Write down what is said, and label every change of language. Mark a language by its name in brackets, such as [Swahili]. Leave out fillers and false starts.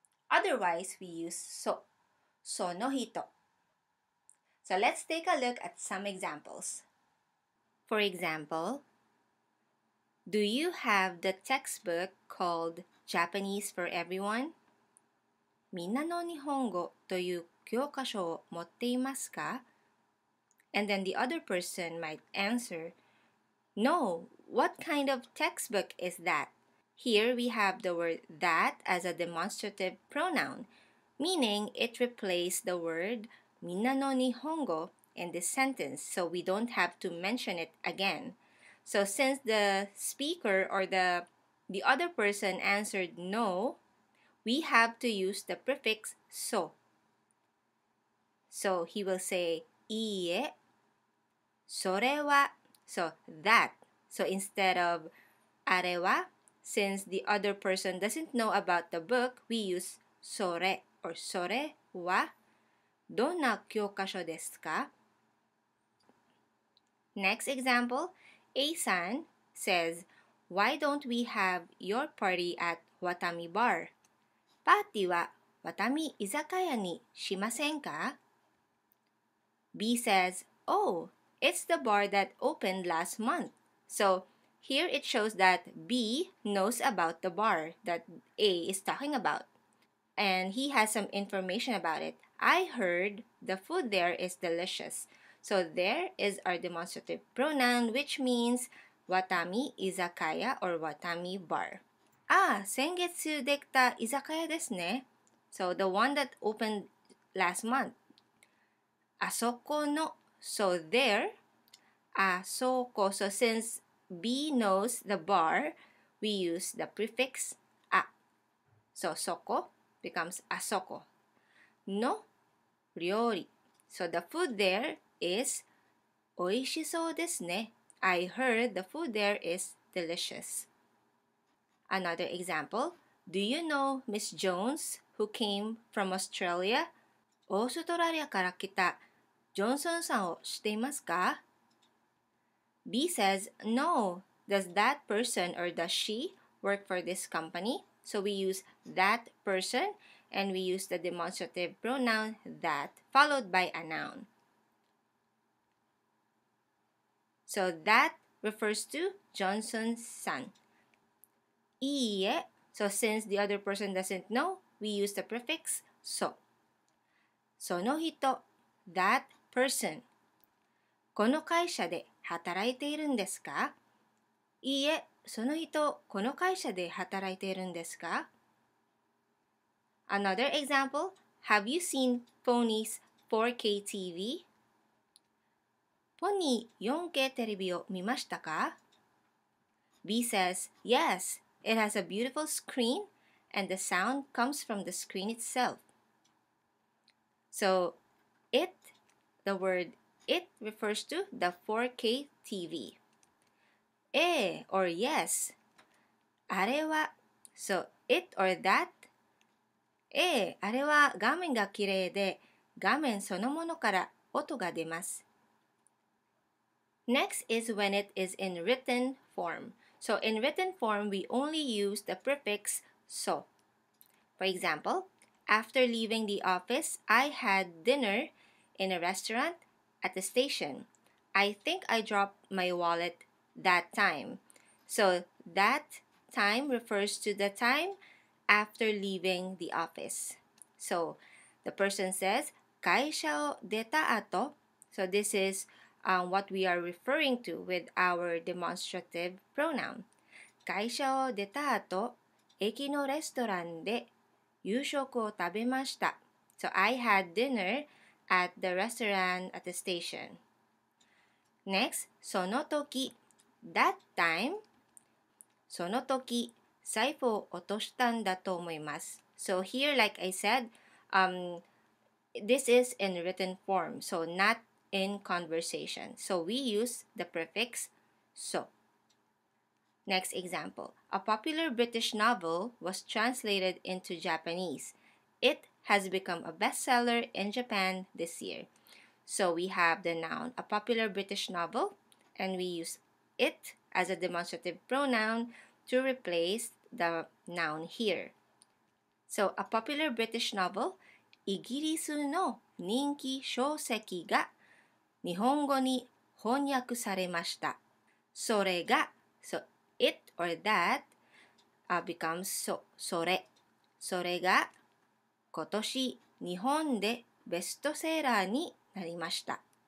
[English] Otherwise, we use そ, [Japanese] その人. [English] So let's take a look at some examples. For example, do you have the textbook called Japanese for Everyone? [Japanese] みんなの日本語という教科書を持っていますか? [English] And then the other person might answer, No, what kind of textbook is that? Here we have the word that as a demonstrative pronoun, meaning it replaced the word minna no nihongo in this sentence, so we don't have to mention it again. So since the speaker or the other person answered no, we have to use the prefix so. So he will say, [Japanese] いいえ。それは、 [English] so that. So instead of あれは, since the other person doesn't know about the book, we use [Japanese] それ or それは。どんな教科書ですか? [English] Next example, A さん says, Why don't we have your party at Watami Bar? [Japanese] パーティーは、わたみ居酒屋にしませんか? [English] B says,Oh, it's the bar that opened last month. So, here it shows that B knows about the bar that A is talking about. And he has some information about it. I heard the food there is delicious. So, there is our demonstrative pronoun, which means Watami Izakaya or Watami Bar. [Japanese] Ah, 先月できた居酒屋ですね。 [English] So, the one that opened last month. [Japanese] あそこの [English] So there, あそこ.So since B knows the bar, we use the prefix あ. So そこ becomes あそこ. [Japanese] の料理. [English] So the food there is [Japanese] 美味しそうですね. [English] I heard the food there is delicious. Another example. Do you know Miss Jones who came from Australia? [Japanese] オーストラリアから来たジョンソンさんを知っていますか? [English] B says, No. Does that person or does she work for this company? So we use that person and we use the demonstrative pronoun that followed by a noun. So that refers to Johnson-san. [Japanese] いいえ. [English] So since the other person doesn't know, we use the prefix so. [Japanese] その人, [English] that person. [Japanese] この会社で働いているんですか? いいえ, その人、この会社で働いているんですか? [English] Another example, have you seen Pony's 4K TV? [Japanese] ポニー 4K テレビを見ましたか? [English] B says, yes, it has a beautiful screen and the sound comes from the screen itself. So, it, the word it refers to the 4K TV. A or yes. [Japanese] あれは、 [English] so it or that. [Japanese] A, あれは画面がきれいで、画面そのものから音が出ます。 [English] Next is when it is in written form. So in written form, we only use the prefix so. For example, after leaving the office, I had dinner in a restaurant at the station. I think I dropped my walletThat time. So that time refers to the time after leaving the office. So the person says, [Japanese] 会社を出た後. [English] So this is what we are referring to with our demonstrative pronoun. [Japanese] 会社を出た後, 駅のレストランで夕食を食べました. [English] So I had dinner at the restaurant at the station. Next, [Japanese] その時 [English] That time, [Japanese] その時、財布を落としたんだと思います。 [English] So here, like I said, this is in written form, so not in conversation. So we use the prefix so. Next example. A popular British novel was translated into Japanese. It has become a bestseller in Japan this year. So we have the noun, a popular British novel, and we use it as a demonstrative pronoun to replace the noun here. So, a popular British novel, [Japanese] イギリスの人気小説が日本語に翻訳されました。それが、 [English] so it or that becomes so, それ。 [Japanese] それが今年日本でベストセーラーになりました。